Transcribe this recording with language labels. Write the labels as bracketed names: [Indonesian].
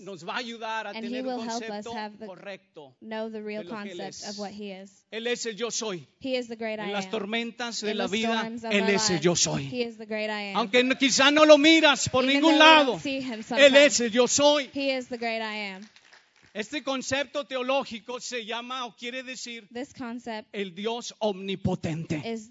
[Spanish] nos va a ayudar a tener el concepto correcto, [English] know the real concept of what he is. [Spanish] Él es el yo soy. [English] He is the great I am. [Spanish] En las tormentas de la vida, Él es el yo soy. [English] He is the great I am. [Spanish] Aunque quizá no lo miras por ningún lado, Él es el yo soy. [English] He is the great I am. [Spanish] Este concepto teológico se llama o quiere decir el Dios omnipotente.